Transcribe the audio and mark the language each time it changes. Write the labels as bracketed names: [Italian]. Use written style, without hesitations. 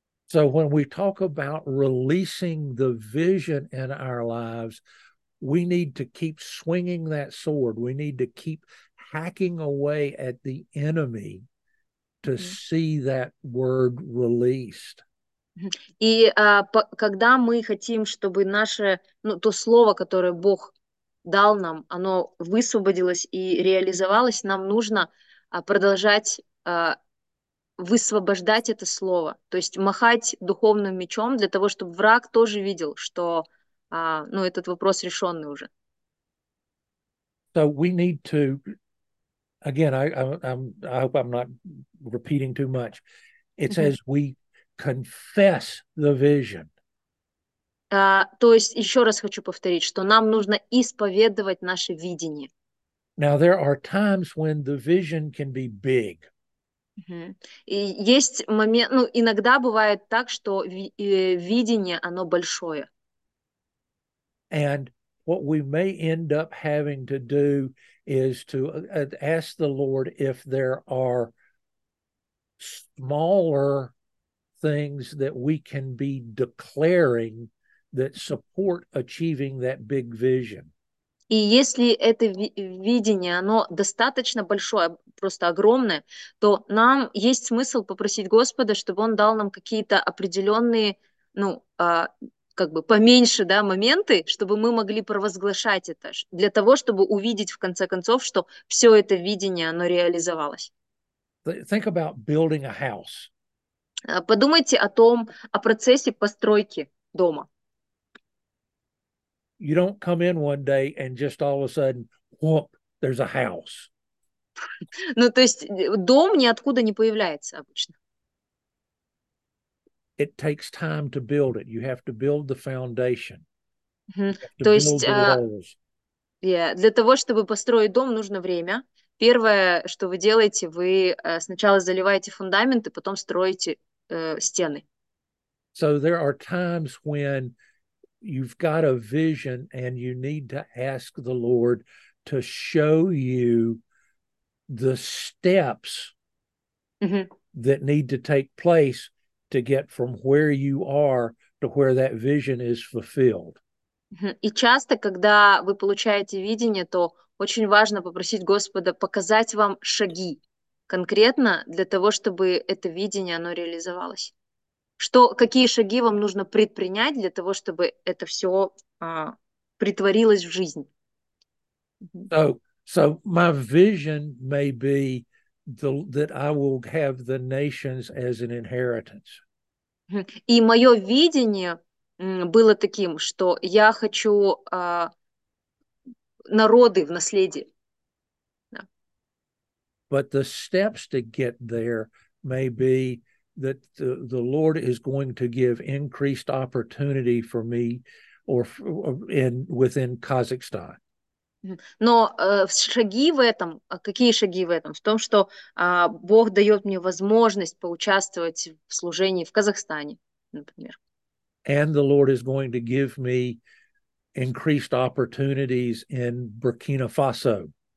[English] So when we talk about releasing the vision in our lives, we need to keep swinging that sword. We need to keep hacking away at the enemy to see that word released. [Russian] И когда мы хотим, чтобы наше, ну, то слово, которое Бог дал нам, оно высвободилось и реализовалось, нам нужно продолжать высвобождать это слово, то есть махать духовным мечом для того, чтобы враг тоже видел, что ну, этот вопрос решенный уже. [English] So we need to, again, I hope I'm not repeating too much. It's as we confess the vision. [Russian] То есть еще раз хочу повторить, что нам нужно исповедовать наше видение. [English] Now there are times when the vision can be big. [Russian] И есть момент, ну, иногда бывает так, что видение, оно большое. [English] And what we may end up having to do is to ask the Lord if there are smaller things that we can be declaring that support achieving that big vision. [Russian] И если это видение, оно достаточно большое, просто огромное, то нам есть смысл попросить Господа, чтобы Он дал нам какие-то определенные, ну, как бы поменьше, да, моменты, чтобы мы могли провозглашать это, для того, чтобы увидеть в конце концов, что все это видение, оно реализовалось. [English] Think about building a house. [Russian] Подумайте о том, о процессе постройки дома. [English] You don't come in one day and just all of a sudden, whoop, there's a house. [Russian] Ну, то есть дом ниоткуда не появляется обычно. [English] It takes time to build it. You have to build the foundation. [Russian] То есть, для того, чтобы построить дом, нужно время. Первое, что вы делаете, вы сначала заливаете фундамент, и потом строите стены. [English] So there are times when you've got a vision and you need to ask the Lord to show you the steps that need to take place to get from where you are to where that vision is fulfilled. [Russian] И часто, когда вы получаете видение, то очень важно попросить Господа показать вам шаги конкретно для того, чтобы это видение, оно реализовалось. Что, какие шаги вам нужно предпринять для того, чтобы это все притворилось в жизнь? [English] So my vision may be that I will have the nations as an inheritance. [Russian] И мое видение было таким, что я хочу народы в наследие. [English] But the steps to get there may be that the Lord is going to give increased opportunity for me or within Kazakhstan. [Russian] Но шаги в этом, какие шаги в этом? В том, что Бог дает мне возможность поучаствовать в служении в Казахстане, например. [English] And the Lord is going to give me increased opportunities in Burkina Faso.